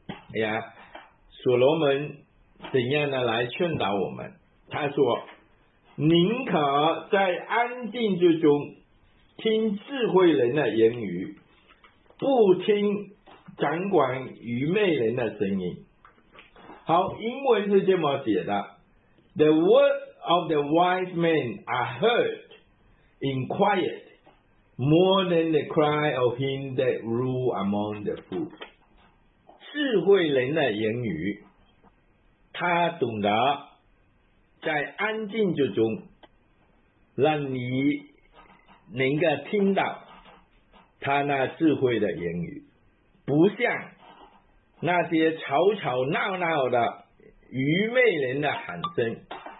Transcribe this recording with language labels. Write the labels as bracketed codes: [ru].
[zh] 哎呀，所罗门怎样的来劝导我们，他说宁可在安静之中听智慧人的言语，不听掌管愚昧人的声音。好，英文是这么写的， [en] The words of the wise men are heard in quiet more than the cry of him that rule among the fools。 [zh] 智慧人的言语，他懂得在安静之中让你能够听到他那智慧的言语，不像那些吵吵闹闹的愚昧人的喊声。